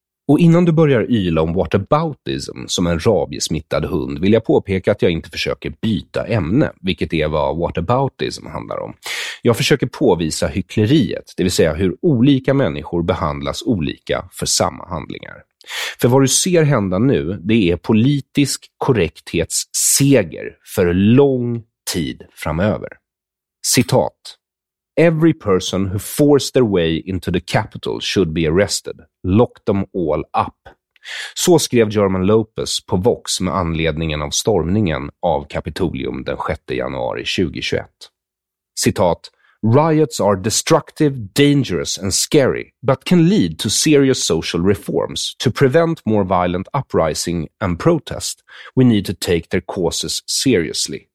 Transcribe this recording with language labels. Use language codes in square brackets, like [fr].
[sv] Och innan du börjar yla om whataboutism som en rabiesmittad hund vill jag påpeka att jag inte försöker byta ämne, vilket är vad whataboutism handlar om. Jag försöker påvisa hyckleriet, det vill säga hur olika människor behandlas olika för samma handlingar. För vad du ser hända nu, det är politisk korrekthetsseger för lång tid framöver. Citat. [en] Every person who forced their way into the capital should be arrested. Lock them all up. [sv] Så skrev German Lopez på Vox med anledningen av stormningen av Kapitolium den 6 januari 2021. Citat. [en] Riots are destructive, dangerous and scary, but can lead to serious social reforms. To prevent more violent uprising and protest, we need to take their causes seriously.